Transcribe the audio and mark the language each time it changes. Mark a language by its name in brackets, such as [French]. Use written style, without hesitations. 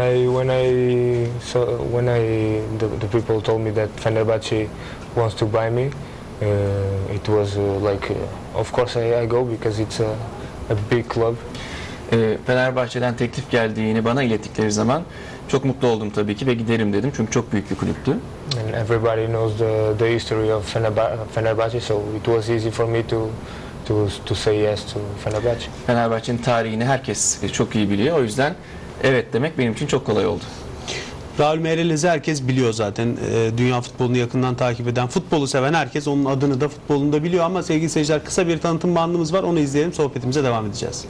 [English] When the people told me that Fenerbahçe wants to buy me, it was like of course I go because it's a big club. [Turkish] Fenerbahçe'den teklif geldiğini bana ilettikleri zaman çok mutlu oldum tabii ki ve giderim dedim çünkü çok büyük bir kulüptü. [English] And everybody knows the history of Fenerbahçe, so it was easy for me to say yes to Fenerbahçe. [Turkish] Fenerbahçe'nin tarihini herkes çok iyi biliyor, o yüzden evet demek benim için çok kolay oldu. Raul Meireles'i herkes biliyor zaten. Dünya futbolunu yakından takip eden, futbolu seven herkes onun adını da futbolunda biliyor ama sevgili seyirciler, kısa bir tanıtım bandımız var, onu izleyelim, sohbetimize devam edeceğiz.